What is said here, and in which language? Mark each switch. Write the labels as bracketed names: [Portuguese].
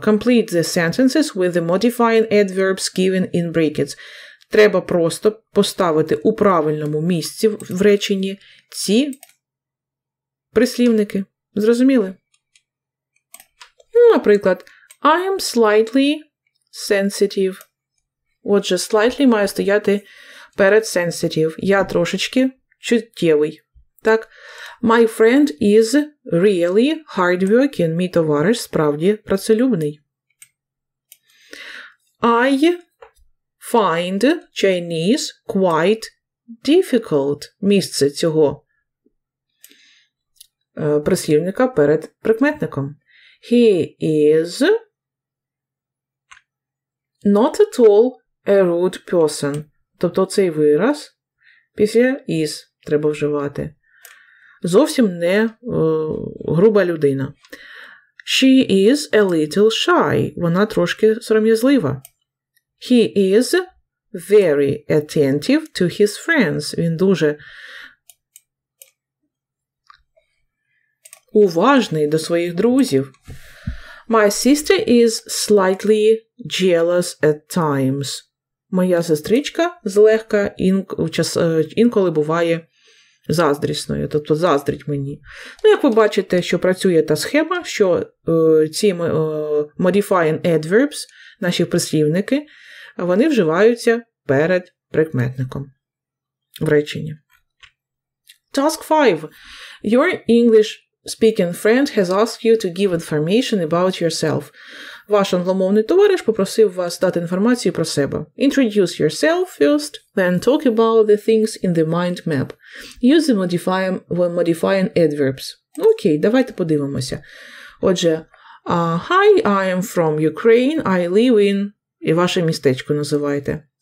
[English] Complete the sentences with the modifying adverbs given in brackets. [Ukrainian] Треба просто поставити у правильному місці в реченні ці прислівники. Зрозуміли? Наприклад, [English] I am slightly sensitive. [Ukrainian] Отже, slightly має стояти перед sensitive. Я трошечки чуттєвий. Так, [English] my friend is really hardworking. [Ukrainian] Мій товариш справді працелюбний. [English] I find Chinese quite difficult. [Ukrainian] Місце цього прислівника перед прикметником. [English] He is not at all a rude person. [Ukrainian] Тобто цей вираз після is треба вживати. Зовсім не груба людина. [English] She is a little shy. [Ukrainian] Вона трошки сором'язлива. [English] He is very attentive to his friends. [Ukrainian] Він дуже уважний до своїх друзів. [English] My sister is slightly jealous at times. [Ukrainian] Моя сестричка злегка інколи буває заздрісною, тобто заздрить мені. Ну, як ви бачите, що працює та схема, що ці modifying adverbs, наші прислівники, вони вживаються перед прикметником в реченні. [English] Task 5. Your English speaking friend has asked you to give information about yourself. [Ukrainian] Ваш англомовний товариш попросив вас дати інформацію про себе. [English] Introduce yourself first, then talk about the things in the mind map. Use the modifying adverbs. [Ukrainian] Окей, давайте подивимося. [English] Отже, hi, I am from Ukraine, I live in... [Ukrainian] І ваше містечко називайте.